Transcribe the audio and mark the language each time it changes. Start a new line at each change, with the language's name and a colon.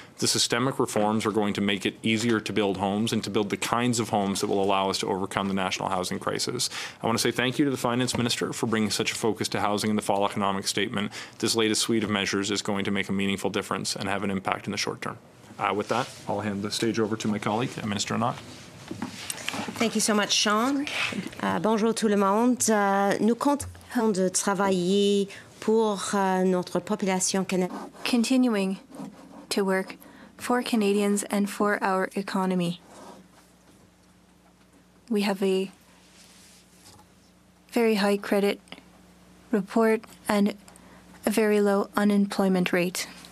English: The systemic reforms are going to make it easier to build homes and to build the kinds of homes that will allow us to overcome the national housing crisis. I want to say thank you to the Finance Minister for bringing such a focus to housing in the fall economic statement. This latest suite of measures is going to make a meaningful difference and have an impact in the short term. With that, I'll hand the stage over to my colleague, Minister Anat. Thank you so much, Sean.
French: Bonjour tout le monde. Nous comptons de travailler pour notre population canadienne.
English: Continuing to work for Canadians and for our economy. We have a very high credit report and a very low unemployment rate.